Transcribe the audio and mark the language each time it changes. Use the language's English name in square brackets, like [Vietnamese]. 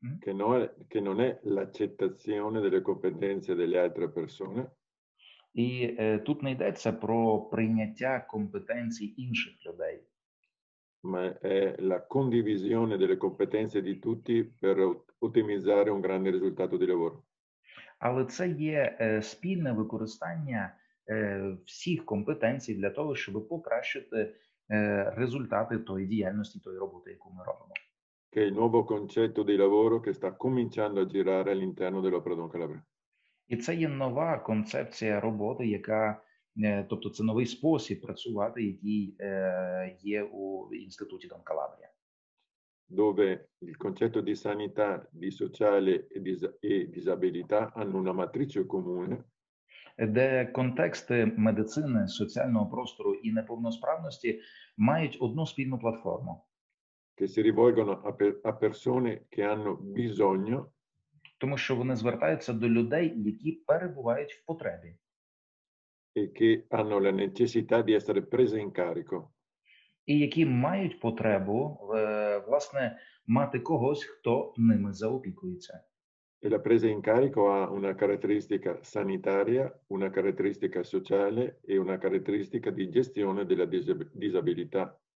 [Italian] Che non è l'accettazione delle competenze delle altre persone. [Ukrainian] І тут не йдеться про прийняття компетенцій інших людей. [Italian] Ma è la condivisione delle competenze di tutti per ottimizzare un grande risultato di lavoro. [Ukrainian] Але це є спільне використання всіх компетенцій для того, щоб покращити результати тої діяльності, тої роботи, яку ми робимо. [Italian] Che è il nuovo concetto di lavoro che sta cominciando a girare all'interno dell'opera Don Calabria. [Ukrainian] І це є нова концепція роботи, тобто це новий спосіб працювати, який є у інституті Дон Калабрія. [Italian] Dove il concetto di sanità, di sociale e disabilità hanno una matrice comune. [Ukrainian] Де контексти медицини, соціального простору і неповносправності мають одну спільну платформу. [Italian] Che si rivolgono a persone che hanno bisogno. [Ukrainian] Тому що вони звертаються до людей, які перебувають в потребі. [Italian] E che hanno la necessità di essere presi in carico. [Ukrainian] І які мають потребу, власне, мати когось, хто ними заопікується. [Italian] E la presa in carico ha una caratteristica sanitaria, una caratteristica sociale e una caratteristica di gestione della disabilità.